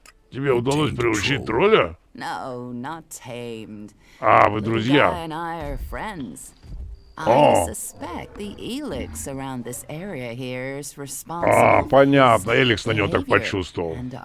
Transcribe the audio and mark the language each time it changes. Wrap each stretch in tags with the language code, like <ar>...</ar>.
<ru>Тебе удалось приручить тролля?</ru> <en>No, not tamed.</en> <ru>А, вы друзья.</ru> <en>The guy and I are friends. I suspect the Elix around this area here is responsible.</en> <ru>А, понятно, Эликс на него так почувствовал.</ru>